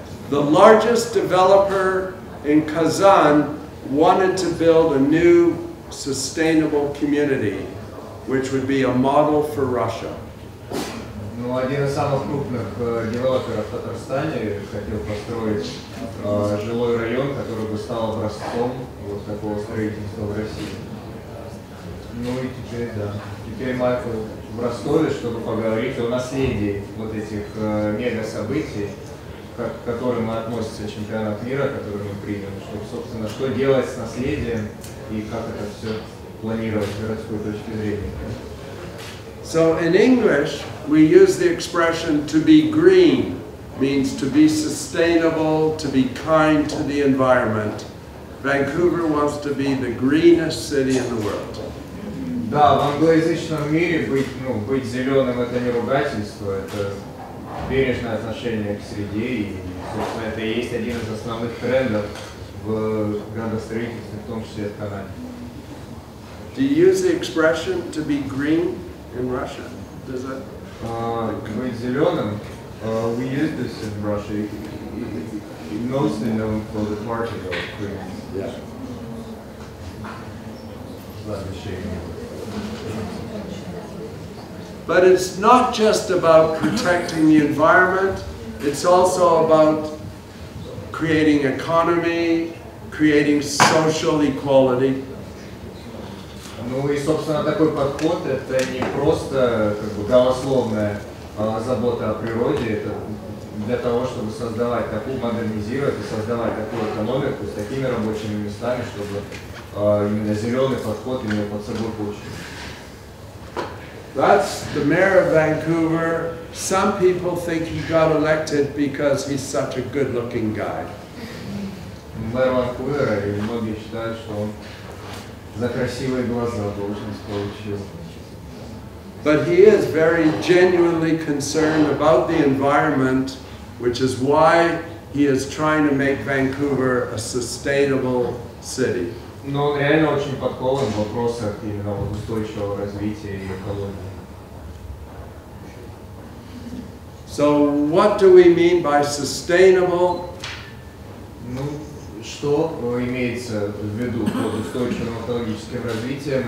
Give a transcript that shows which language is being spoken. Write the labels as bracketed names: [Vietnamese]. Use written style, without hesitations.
[English] The largest developer in Kazan wanted to build a new sustainable community, which would be a model for Russia. [Russian] Ну, один из самых крупных девелоперов в Татарстане хотел построить жилой район, который бы стал образцом вот такого строительства в России. Ну и теперь, да. Теперь Майкл в Ростове, чтобы поговорить о наследии вот этих мега-событий, к которым относится чемпионат мира, который мы приняли, чтобы, собственно, что делать с наследием и как это все планировать с городской точки зрения. [English] So in English, we use the expression to be green, means to be sustainable, to be kind to the environment. Vancouver wants to be the greenest city in the world. [Russian] Да, в англоязычном мире быть зеленым – это не ругательство, это бережное отношение к среде, и, собственно, это и есть один из основных трендов в градостроительстве, в том числе и в Канаде. [English] Do you use the expression to be green? In Russia, does that? [Russian] Быть зеленым. [English] We use this in Russia. mostly known for the parking lot greens. Yeah. Let me shake you. But it's not just about protecting the environment, it's also about creating economy, creating social equality. [Russian] Ну и, собственно, такой подход — это не просто как бы голословная забота о природе, это для того, чтобы создавать такую, модернизировать и создавать такую экономику с такими рабочими местами, чтобы именно зеленый подход имел под собой почву. [English] That's the mayor of Vancouver. Some people think he got elected because he's such a good-looking guy. [Russian] Мэр Ванкувера, и многие считают, что он за красивые глаза должность получил. [English] But he is very genuinely concerned about the environment, which is why he is trying to make Vancouver a sustainable city. [Russian] Но он реально очень подкован в вопросах именно вот устойчивого развития и экологии. [English] So what do we mean by sustainable? [Russian] Ну, что имеется в виду под устойчивым экологическим развитием?